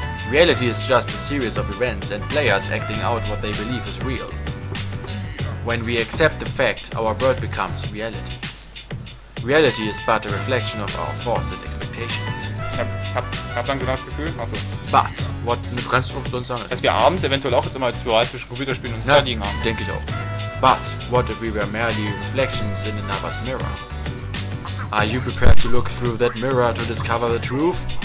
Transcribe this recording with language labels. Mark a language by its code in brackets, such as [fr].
[en] Reality is just a series of events and players acting out what they believe is real. When we accept the fact, our world becomes reality. Reality is but a reflection of our thoughts and expectations. [de] Ich hab langsam das Gefühl. Achso. [en] But, what, [de] du kannst es uns sagen. Dass wir abends eventuell auch jetzt immer als Zwei zwischen Computerspielen und Studying haben. Denke ich auch. [en] But, what if we were merely reflections in another's mirror? Are you prepared to look through that mirror to discover the truth?